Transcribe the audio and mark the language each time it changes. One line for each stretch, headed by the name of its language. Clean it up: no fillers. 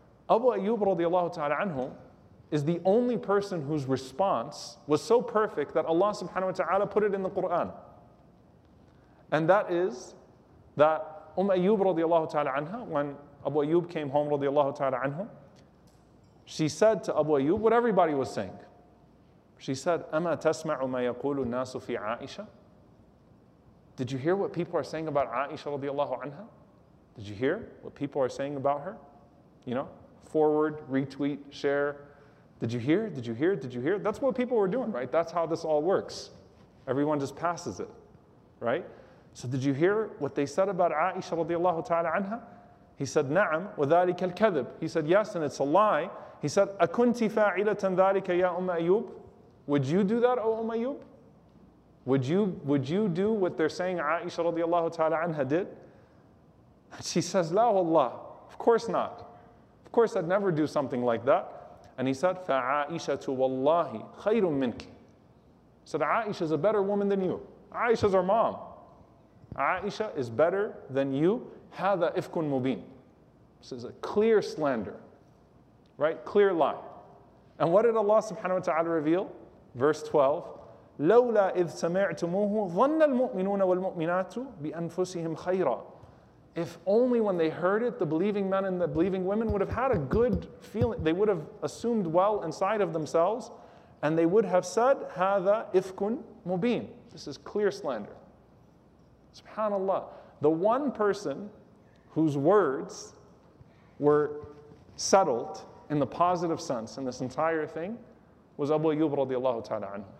English: Abu Ayyub radiallahu ta'ala anhu is the only person whose response was so perfect that Allah subhanahu wa ta'ala put it in the Quran. And that is that Ayyub radiallahu ta'ala anha, when Abu Ayyub came home radiallahu ta'ala anhu, she said to Abu Ayyub what everybody was saying. She said,
Arabic: أَمَا تَسْمَعُ مَا يَقُولُ النَّاسُ فِي عَائِشَةَ.
English: Did you hear what people are saying about Aisha radiallahu anha? Did you hear what people are saying about her? You know, forward, retweet, share. Did you hear? That's what people were doing, right? That's how this all works. Everyone just passes it, right? So did you hear what they said about Aisha radiallahu ta'ala anha? He said,
Arabic: na'am, wa dhalika al-kadhib.
English: He said, yes, and it's a lie. He said,
Arabic: akunti fa'ilatan dhalika ya Ayyub?
English: Would you do that, O Ayyub? Would you do what they're saying Aisha radiallahu ta'ala anha did? And she says,
Arabic: la wallah,
English: of course not. Of course I'd never do something like that. And he said,
Arabic: fa'aishatu wallahi khayrun minki.
English: He said, Aisha is a better woman than you. Aisha's our mom. Aisha is better than you.
Arabic: Hadha ifkun mubin.
English: This is a clear slander, right? Clear lie. And what did Allah subhanahu wa ta'ala reveal? Verse 12,
Arabic: لولا إذ سمعتموه ظن المؤمنون والمؤمنات بأنفسهم خيرا.
English: If only when they heard it, the believing men and the believing women would have had a good feeling, they would have assumed well inside of themselves, and they would have said,
Arabic: هذا إفكن مبين.
English: This is clear slander. SubhanAllah. The one person whose words were settled in the positive sense in this entire thing was Abu Ayyub radiallahu ta'ala anhu.